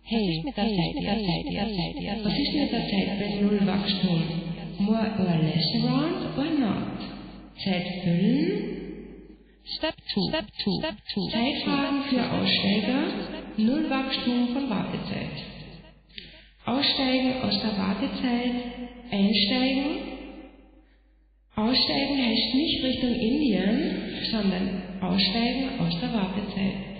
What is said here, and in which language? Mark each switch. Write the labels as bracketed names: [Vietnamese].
[German] was ist mit der Zeit bei Nullwachstum? [English] More or less around or not? [German] Zeit füllen? [English] Step 2. [German] Zeitfragen für Aussteiger. Nullwachstum von Wartezeit. Aussteigen aus der Wartezeit. Einsteigen. Aussteigen heißt nicht Richtung Indien, sondern aussteigen aus der Wartezeit.